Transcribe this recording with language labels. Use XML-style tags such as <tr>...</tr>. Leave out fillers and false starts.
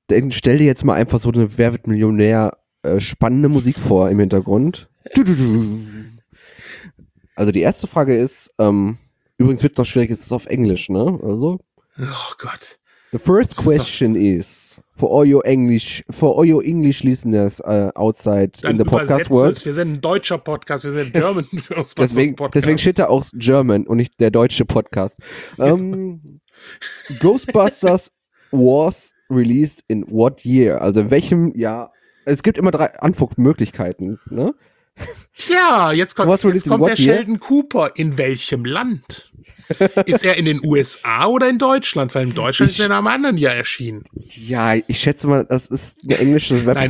<de>Stell dir jetzt mal einfach so eine Wer wird Millionär spannende Musik vor im Hintergrund. Also die erste Frage ist, übrigens wird es noch schwierig, es ist auf Englisch, ne? Also, oh Gott.</de> <en>The first question is, for all your English listeners outside</en> <de>dann</de> <en>in the podcast world.</en> <de>Wir sind ein deutscher Podcast, wir sind ein German Podcast. Deswegen steht da auch German und nicht der deutsche Podcast.</de> <en>Ghostbusters was released in what year?</en> <de>Also in welchem Jahr? Es gibt immer drei Antwortmöglichkeiten, ne? Tja, jetzt kommt der Sheldon Cooper. In welchem Land? Ist er in den USA oder in Deutschland? Weil in Deutschland ist er in einem anderen Jahr erschienen. Ja, ich schätze mal, das ist eine englische Webseite.</de>